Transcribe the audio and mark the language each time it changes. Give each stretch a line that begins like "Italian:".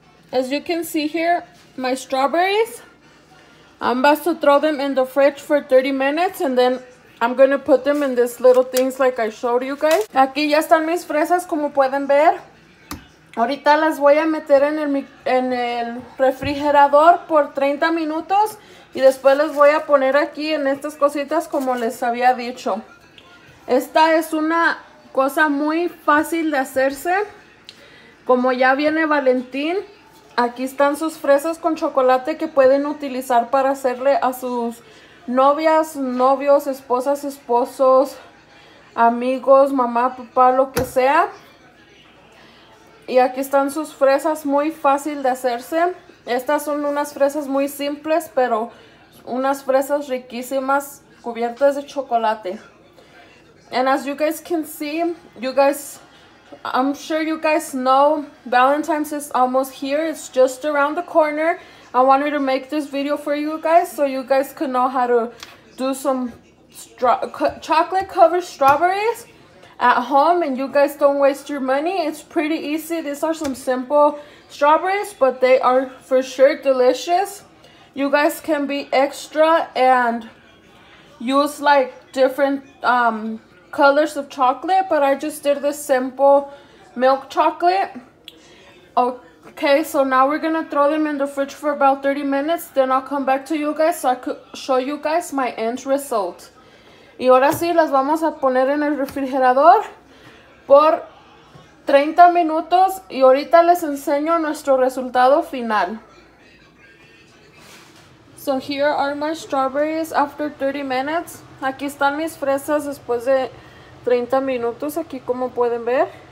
English: As you can see here, my strawberries, I'm about to throw them in the fridge for 30 minutes and then I'm gonna put them in this little things like I showed you guys.
Spanish: Aquí ya están mis fresas, como pueden ver. Ahorita las voy a meter en el refrigerador por 30 minutos y después les voy a poner aquí en estas cositas como les había dicho. Esta es una cosa muy fácil de hacerse. Como ya viene Valentín, aquí están sus fresas con chocolate que pueden utilizar para hacerle a sus novias, novios, esposas, esposos, amigos, mamá, papá, lo que sea. Y aquí están sus fresas, muy fácil de hacerse. Estas son unas fresas muy simples, pero unas fresas riquísimas cubiertas de chocolate.
English: And as you guys can see, you guys, I'm sure you guys know Valentine's is almost here. It's just around the corner. I wanted to make this video for you guys so you guys could know how to do some chocolate-covered strawberries at home and you guys don't waste your money. It's pretty easy. These are some simple strawberries, but they are for sure delicious. You guys can be extra and use like different colors of chocolate, but I just did this simple milk chocolate. Okay, so now we're gonna throw them in the fridge for about 30 minutes, then I'll come back to you guys so I could show you guys my end result.
Spanish: Y ahora sí, las vamos a poner en el refrigerador por 30 minutos y ahorita les enseño nuestro resultado final.
English: So here are my strawberries after 30 minutes.
Spanish: Aquí están mis fresas después de 30 minutos, aquí como pueden ver.